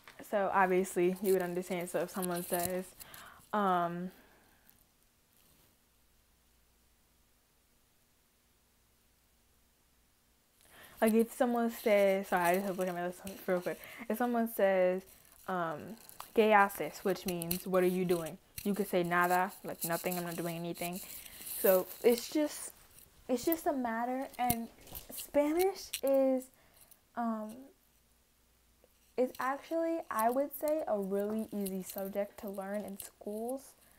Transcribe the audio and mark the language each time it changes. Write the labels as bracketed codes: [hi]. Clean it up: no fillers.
[en] So obviously you would understand. So if someone says, like, if someone says, sorry, I just have to look at my list real quick. If someone says, [es] ¿qué haces? [en] Which means, what are you doing? You could say nada, like nothing, I'm not doing anything. So, it's just a matter, and Spanish is, It's actually, I would say, a really easy subject to learn in schools.